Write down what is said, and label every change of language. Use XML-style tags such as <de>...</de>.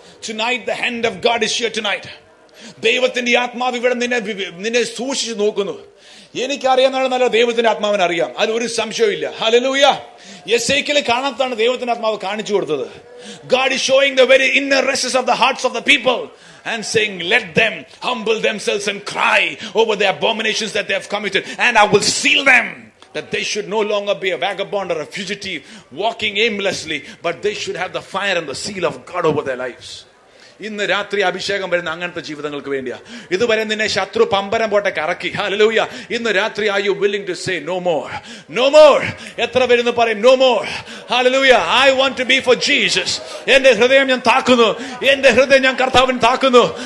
<en>Tonight the hand of God is here tonight.</en> <ml>ദൈവത്തിന്റെ ആത്മാവ് ഇവിടെ നിന്നെ സൂക്ഷിച്ചു നോക്കുന്നു. എനിക്കറിയാന്നല്ല, ദൈവത്തിന്റെ ആത്മാവിനെ അറിയാം, അതിൽ ഒരു സംശയവുമില്ല. ഹല്ലേലൂയ. യെശയ്യാവിൽ കാണാത്തതാണ് ദൈവത്തിന്റെ ആത്മാവ് കാണിച്ചു കൊടുത്തത്.</ml> <en>God is showing the very inner recesses of the hearts of the people and saying, let them humble themselves and cry over the abominations that they have committed, and I will seal them that they should no longer be a vagabond or a fugitive walking aimlessly, but they should have the fire and the seal of God over their lives.</en> <ml>ഇന്ന് രാത്രി അഭിഷേകം വരുന്ന അങ്ങനത്തെ ജീവിതങ്ങൾക്ക് വേണ്ടിയാ. ഇതുവരെ നിന്നെ ശത്രു പമ്പരം പോട്ടെ കറക്കി. ഹല്ലേലൂയ. ഇന്ന് രാത്രി</ml> <en>Are you willing to say no more, no more.</en> <ml>എത്ര പേരെന്ന് പറയും,</ml> <en>No more. Hallelujah. I want to be for Jesus.</en> <ml>എന്റെ ഹൃദയം ഞാൻ താക്കുന്നു, എന്റെ ഹൃദയം ഞാൻ കർത്താവിന് താക്കുന്നു.</ml>